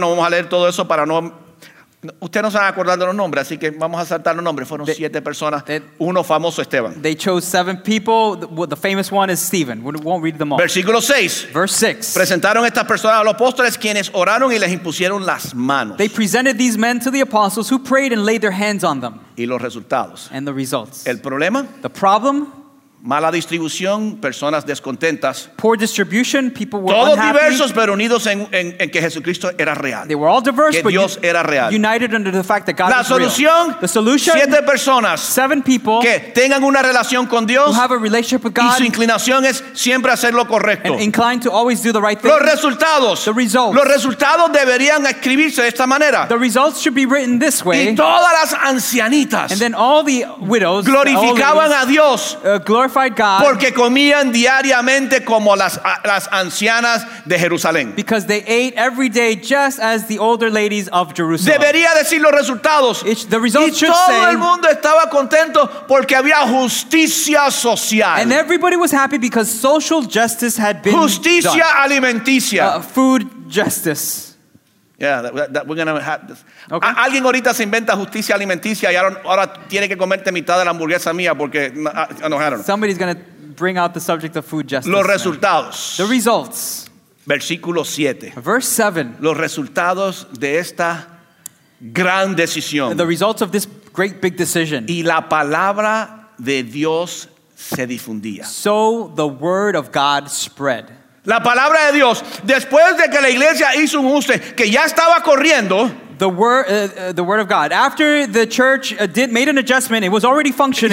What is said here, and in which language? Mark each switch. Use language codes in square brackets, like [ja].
[es] No vamos a leer todo eso para no... Usted no se va a acordar de los nombres, así que vamos a saltar los nombres. Fueron siete personas, uno famoso, Esteban. [en] They chose seven people. The famous one is Stephen. We won't read them all. [es] Versículo 6. [en] Verse 6. [es] Presentaron estas personas a los apóstoles, quienes oraron y les impusieron las manos. [en] They presented these men to the apostles, who prayed and laid their hands on them. [es] Y los resultados. [en] And the results. [es] El problema. [en] The problem. [es] Mala distribución, personas descontentas. [en] Poor distribution, people were [es] todos [en] unhappy. [es] Diversos, pero unidos en que Jesucristo era real. [en] They were all diverse, [es] que Dios [en] but [es] era real. [en] United under the fact that God [es] la [en] was [es] solución, [en] real. The solution, [es] siete personas, [en] seven people, [es] que tengan una relación con Dios, [en] who have a relationship with God, [es] y su inclinación es siempre hacer lo correcto. [en] And inclined to always do the right thing. [es] Los resultados. [en] The results. [es] Los resultados deberían escribirse de esta manera. [en] The results should be written this way. [es] Y todas las ancianitas. [en] And then all the widows. [es] Glorificaban [en] the [es] oldies, a Dios. [en] Glorified God, [es] porque comían diariamente como las ancianas de Jerusalén. [en] Because they ate every day just as the older ladies of Jerusalem. [es] Debería decir los resultados. [en] The results [es] y todo [en] should say, [es] el mundo estaba contento porque había justicia social. [en] And everybody was happy because social justice had been [es] justicia [en] done. [es] Alimenticia. [en] Food justice. Yeah, that we're going to have this. Okay. [es] Alguien ahorita se inventa justicia alimenticia y ahora tiene que comerte mitad de la hamburguesa mía porque enojaron. [en] Somebody's going to bring out the subject of food justice. [es] Los resultados. [en] Man. The results. [es] Versículo 7. [en] Verse 7. [es] Los resultados de esta gran decisión. [en] The results of this great big decision. [es] Y la palabra de Dios se difundía. [en] So the word of God spread. [es] La palabra de Dios, después de que la iglesia hizo un ajuste, que ya estaba corriendo. [en] The word of God. After the church made an adjustment, it was already functioning.